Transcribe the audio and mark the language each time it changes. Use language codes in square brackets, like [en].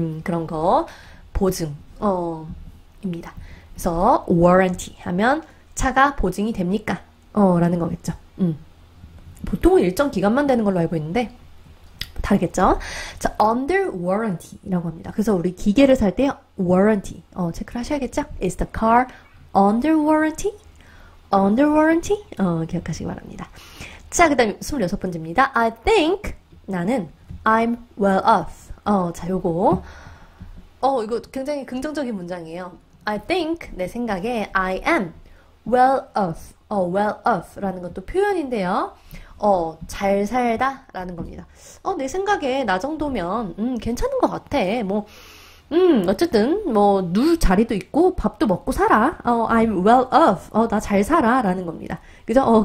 [ko] 그런 거, 보증, 입니다. 그래서 warranty 하면 차가 보증이 됩니까? 라는 거겠죠. 보통은 일정 기간만 되는 걸로 알고 있는데 다르겠죠? 자, under warranty라고 합니다. 그래서 우리 기계를 살 때요, warranty 체크를 하셔야겠죠? [en] Is the car under warranty? [ko] Under warranty? 기억하시기 바랍니다. 자, 그다음 26번째입니다. [en] I think 나는 I'm well off. [ko] 자, 요거 이거 굉장히 긍정적인 문장이에요. [en] I think [ko] 내 생각에 [en] I am well off. [ko] Well off라는 것도 표현인데요. 잘 살다라는 겁니다. 내 생각에 나 정도면 괜찮은 것 같아. 뭐 어쨌든 뭐누 자리도 있고 밥도 먹고 살아. [en] I'm well off. [ko] 나잘 살아라는 겁니다. 그죠?